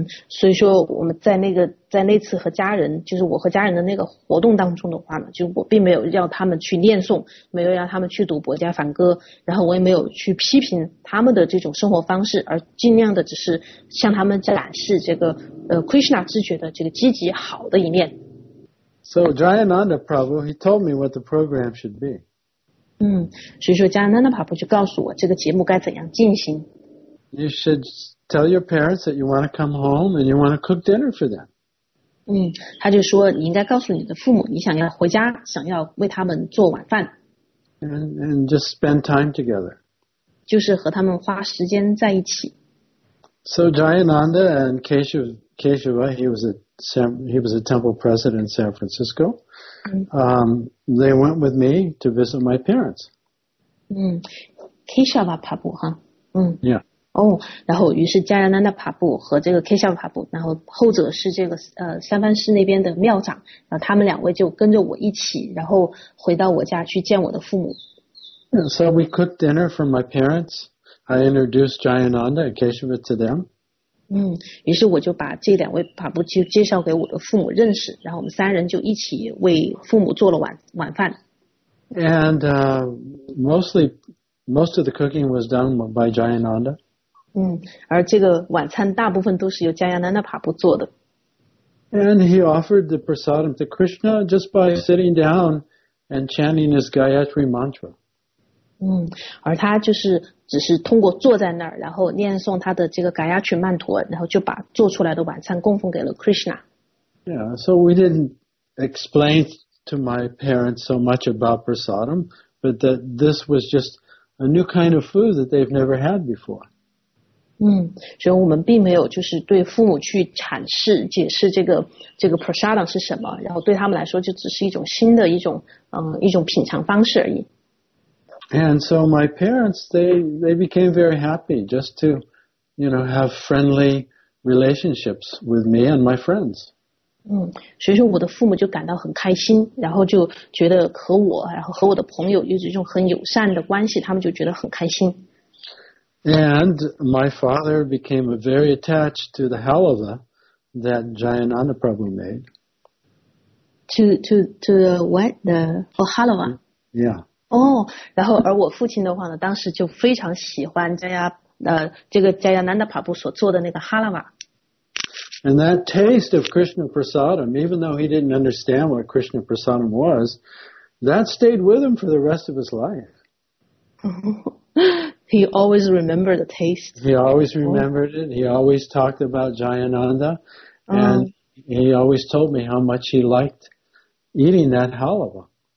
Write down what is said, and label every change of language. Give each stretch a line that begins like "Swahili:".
Chinese: 所以说我们在那次和家人，就是我和家人的那个活动当中的话呢，就我并没有让他们去念诵，没有让他们去读博伽梵歌，然后我也没有去批评他们的这种生活方式，而尽量的只是向他们展示这个Krishna 知觉的这个积极好的一面。
English: So Jayananda Prabhu, he told me what the program should be.
Chinese: 所以说 Jayananda Prabhu 就告诉我这个节目该怎样进行。
English: You should tell your parents that you want to come home and you want to cook dinner for them.
Chinese: 他就说你应该告诉你的父母你想要回家，想要为他们做晚饭。
English: And just spend time together.
Chinese: 就是和他们花时间在一起。
English: So Jayananda and Keshava, he was a he was a temple president in San Francisco. They went with me to visit my parents.
Chinese: Keshav 爬步哈。
English: Yeah.
Chinese: 哦，然后于是加亚南达爬步和这个 Keshav 爬步，然后后者是这个三藩市那边的庙长，然后他们两位就跟着我一起，然后回到我家去见我的父母。
English: So we cooked dinner for my parents. I introduced Jayananda and Keshava to them.
Chinese: 于是我就把这两位爬步就介绍给我的父母认识，然后我们三人就一起为父母做了晚饭。
English: And most of the cooking was done by Jayananda.
Chinese: 而这个晚餐大部分都是由加亚南达爬步做的。
English: And he offered the prasadam to Krishna just by sitting down and chanting his Gayatri mantra.
Chinese: 而他就是只是通过坐在那儿，然后念诵他的这个嘎亚曲曼陀，然后就把做出来的晚餐供奉给了 Krishna。
English: Yeah, so we didn't explain to my parents so much about prasadam, but that this was just a new kind of food that they've never had before.
Chinese: 所以我们并没有就是对父母去阐释解释这个 prasadam 是什么，然后对他们来说就只是一种新的一种品尝方式而已。
English: And so my parents, they became very happy just to, you know, have friendly relationships with me and my friends.
Chinese: 所以说我的父母就感到很开心，然后就觉得和我，然后和我的朋友有这种很友善的关系，他们就觉得很开心。
English: And my father became very attached to the halava that Jayananda Prabhu made. To the what? For halava? Yeah.
Chinese: 然后而我父亲的话呢，当时就非常喜欢加亚南达帕布所做的那个哈拉瓦。
English: And that taste of Krishna prasadam, even though he didn't understand what Krishna prasadam was, that stayed with him for the rest of his life. He always remembered the taste. He always remembered it. He always talked about Jayananda, and he always told me how much he liked eating that halava.